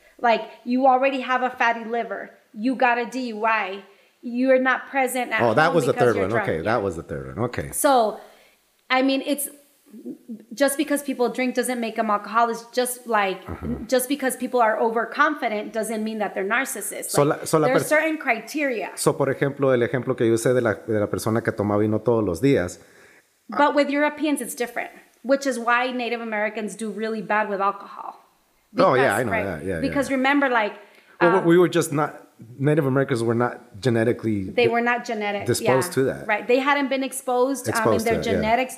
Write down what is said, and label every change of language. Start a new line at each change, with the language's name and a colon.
English: Like, you already have a fatty liver. You got a DUI. You're not present at home. Oh, that was the third one. Okay, that was the third one. Okay. So... I mean, it's just because people drink doesn't make them alcoholics. Just like, uh-huh. just because people are overconfident doesn't mean that they're narcissists. So like, there are certain criteria.
Spanish: So, por ejemplo, el ejemplo que yo usé de la persona que toma vino todos los días.
English: But with Europeans, it's different, which is why Native Americans do really bad with alcohol. Because, oh, yeah, I know that. Yeah, because yeah. remember, like... We were just not... Native Americans were not genetically... They were not genetic. Disposed yeah, to that. Right. They hadn't been exposed in their genetics